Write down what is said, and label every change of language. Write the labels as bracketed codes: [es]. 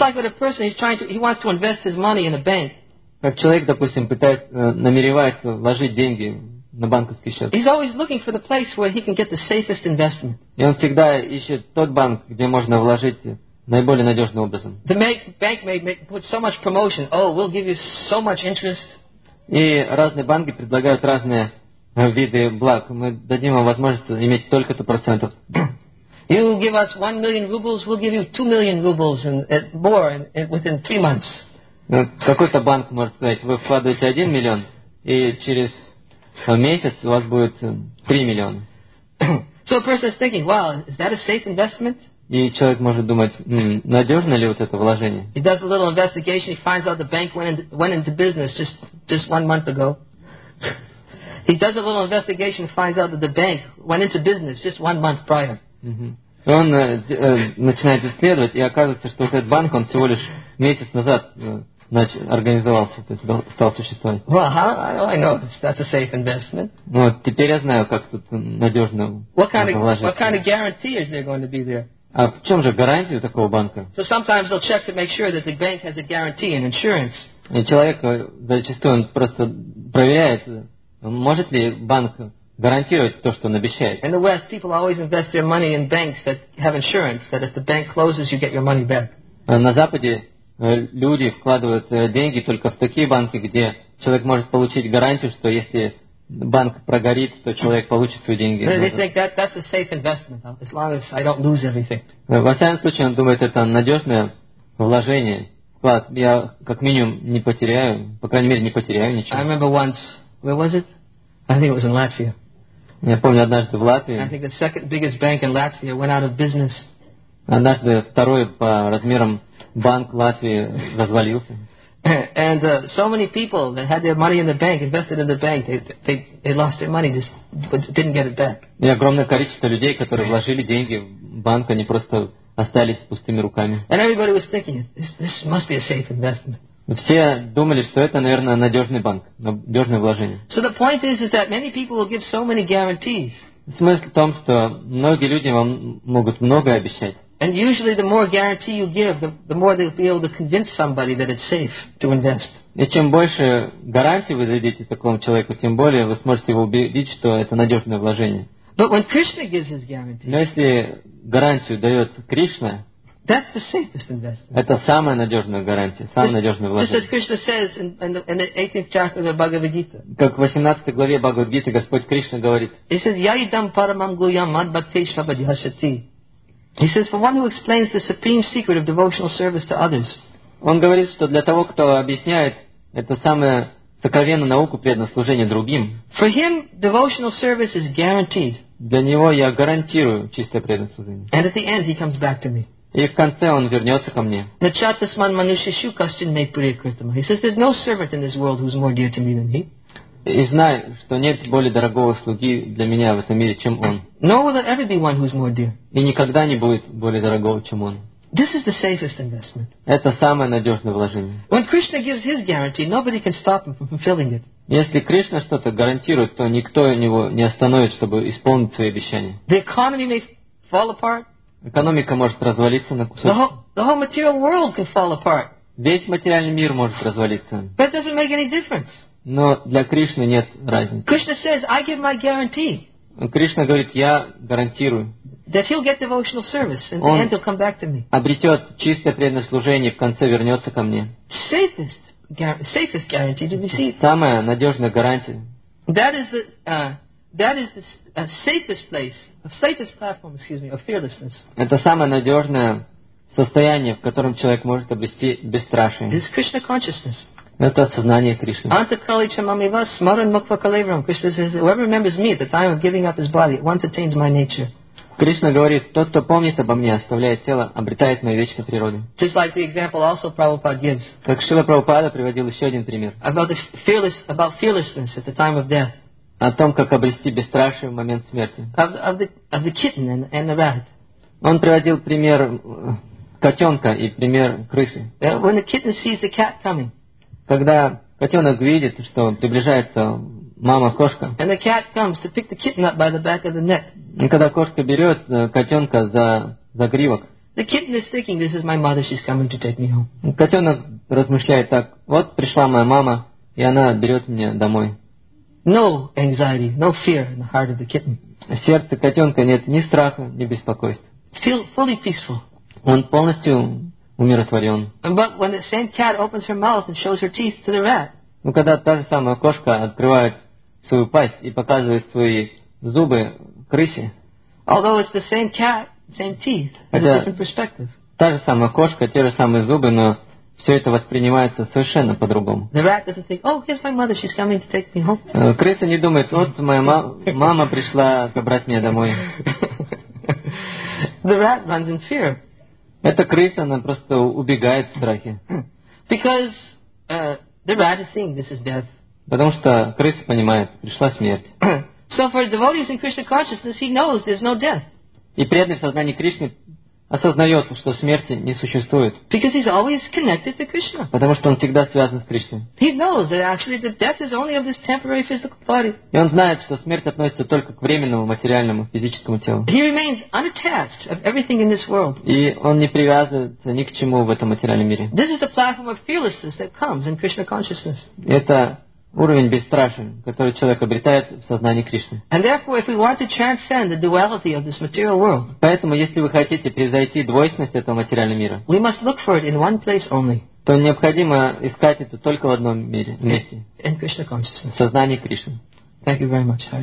[en] Just like with a person, he wants to invest his money in a bank. [ru] Как человек, допустим, намеревается вложить деньги на банковский счет. [en] He's always looking for the place where he can get the safest investment. [ru] И он всегда ищет тот банк, где можно вложить. Наиболее надежным образом. [en] The bank may put so much promotion. Oh, we'll give you so much interest. [ru] И разные банки предлагают разные виды благ. Мы дадим вам возможность иметь столько-то процентов. [en] You give us 1 million rubles, we'll give you 2 million rubles and more within 3 months. [ru] Какой-то банк может сказать, вы вкладываете 1 миллион, и через месяц у вас будет 3 миллиона. [en] So a person is thinking, wow, is that a safe investment? [ru] И человек может думать, надежно ли вот это вложение. [en] He does a little investigation, he finds out the bank went into business just 1 month ago. He does a little investigation, finds out that the bank went into business just 1 month prior. Mm-hmm. [ru] Он начинает исследовать, и оказывается, что этот банк, он всего лишь месяц назад организовался, то есть стал существовать. [en] Well, how do I know that's a safe investment? [ru] Ну, вот теперь я знаю, как тут надежно вложить. [en] What kind of guarantee is there going to be there? [ru] А в чем же гарантия такого банка? [en] So sometimes they'll check to make sure that the bank has a guarantee and insurance. [ru] И человек зачастую он просто проверяет, может ли банк гарантировать то, что он обещает. [en] In the West, people always invest their money in banks that have insurance, that if the bank closes, you get your money back. [ru] На Западе люди вкладывают деньги только в такие банки, где человек может получить гарантию, что если банк прогорит, то человек получит свои деньги. [en] They think that's a safe investment, as long as I don't lose everything. [ru] Во всяком случае, он думает, это надежное вложение. Вклад. Я как минимум не потеряю, по крайней мере, не потеряю ничего. [en] I remember once, where was it? I think it was in Latvia. [ru] Я помню однажды в Латвии. [en] I think the second biggest bank in Latvia went out of business. [ru] Однажды второй по размерам банк Латвии развалился. [en] And so many people that had their money in the bank, invested in the bank, they lost their money, just didn't get it back. [ru] И огромное количество людей, которые вложили деньги в банк, они просто остались пустыми руками. [en] And everybody was thinking, this must be a safe investment. [ru] Все думали, что это, наверное, надежный банк, надежное вложение. [en] So the point is that many people will give so many guarantees. [ru] Смысл в том, что многие люди вам могут многое обещать. [en] And usually the more guarantee you give, the more they'll be able to convince somebody that it's safe to invest. [ru] И чем больше гарантий вы дадите такому человеку, тем более вы сможете его убедить, что это надежное вложение. [en] But when Krishna gives his guarantee, [ru] но если гарантию дает Кришна, [en] that's the safest investment. [ru] Это самая надежная гарантия, самое надежное вложение. [en] Just as Krishna says in the 18th chapter of the Bhagavad Gita. [ru] Как в 18 главе Бхагавад Гиты Господь Кришна говорит. [en] He says, [sa] "Я идам парамам гуям мад бхактеш вабадьяшати." [en] He says, "For one who explains the supreme secret of devotional service to others." [ru] Он говорит, что для того, кто объясняет эту самую сокровенную науку преданослужения другим, [en] for him, devotional service is guaranteed. [ru] Для него я гарантирую чистое преданослужение. [en] And at the end, he comes back to me. [ru] И в конце он вернется ко мне. [sa] Начатасман манушишу кастин мей прия критама. [en] He says, there's no servant in this world who's more dear to me than he. [ru] И знай, что нет более дорогого слуги для меня в этом мире, чем он. [en] Nor will there ever be one who's more dear. [ru] И никогда не будет более дорогого, чем он. [en] This is the safest investment. [ru] Это самое надежное вложение. [en] When Krishna gives his guarantee, nobody can stop him from fulfilling it. [ru] Если Кришна что-то гарантирует, то никто у него не остановит, чтобы исполнить свои обещания. [en] The economy may fall apart. [ru] Экономика может развалиться на кусочки. [en] The whole material world can fall apart. [ru] Весь материальный мир может развалиться. [en] But it doesn't make any difference. [ru] Но для Кришны нет разницы. [en] Krishna says, I give my guarantee. [ru] Кришна говорит, я гарантирую. [en] That he'll get devotional service, and in the end he'll come back to me. [ru] Обретет чистое преданное служение, в конце вернется ко мне. [en] Safest guarantee to receive. [ru] Самая надежная гарантия. [en] That is the safest platform of fearlessness. [ru] Это самое надежное состояние, в котором человек может обрести бесстрашие. [en] It is Krishna consciousness. [ru] Это сознание Кришны. [sa] Antakali chamami vas smaran mukva kalevram. [en] Krishna says, whoever remembers me at the time of giving up his body, once attains my nature. [ru] Кришна говорит, тот, кто помнит обо мне, оставляет тело, обретает мою вечную природу. [en] Just like the example also Prabhupada gives. [ru] Как Шрила Прабхупада приводил еще один пример. [en] About fearlessness at the time of death. [ru] О том, как обрести бесстрашие в момент смерти. [en] Of the kitten and the rat. [ru] Он приводил пример котенка и пример крысы. [en] When the kitten sees the cat coming. [ru] Когда котенок видит, что приближается мама-кошка. [en] And the cat comes to pick the kitten up by the back of the neck. [ru] И когда кошка берет котенка за гривок. [en] The kitten is thinking, this is my mother, she's coming to take me home. [ru] Котенок размышляет так, вот пришла моя мама, и она берет меня домой. [en] No anxiety, no fear in the heart of the kitten. [ru] В сердце котенка нет ни страха, ни беспокойства. [en] Feel fully peaceful. [ru] Он полностью умиротворен. [en] But when the same cat opens her mouth and shows her teeth to the rat. [ru] Ну, когда та же самая кошка открывает свою пасть и показывает свои зубы крысе. [en] Although it's the same cat, same teeth, with a different perspective. [ru] Та же самая кошка, те же самые зубы, но все это воспринимается совершенно по-другому. [en] The rat doesn't think, oh, here's my mother, she's coming to take me home. [ru] Крыса не думает, вот моя мама пришла забрать меня домой. [en] The rat runs in fear. [ru] Эта крыса, она просто убегает в страхе. [en] Because the rat is seeing this is death. [ru] Потому что крыса понимает, пришла смерть. [en] So for devotees in Krishna consciousness, he knows there's no death. [ru] И преданный в сознании Кришны осознает, что смерти не существует. [en] Because he's always connected to Krishna. [ru] Потому что он всегда связан с Кришной. [en] He knows that actually the death is only of this temporary physical body. [ru] И он знает, что смерть относится только к временному, материальному, физическому телу. [en] He remains unattached of everything in this world. [ru] И он не привязывается ни к чему в этом материальном мире. [en] This is the platform of fearlessness that comes in Krishna consciousness. [ru] Это уровень бесстрашия, который человек обретает в сознании Кришны. [en] And therefore, if we want to transcend the duality of this material world, [ru] поэтому, если вы хотите превзойти двойственность этого материального мира, [en] we must look for it in one place only. [ru] То необходимо искать это только в одном мире, месте. [en] In Krishna consciousness. [ru] В сознании Кришны. [en] Thank you very much, Hari.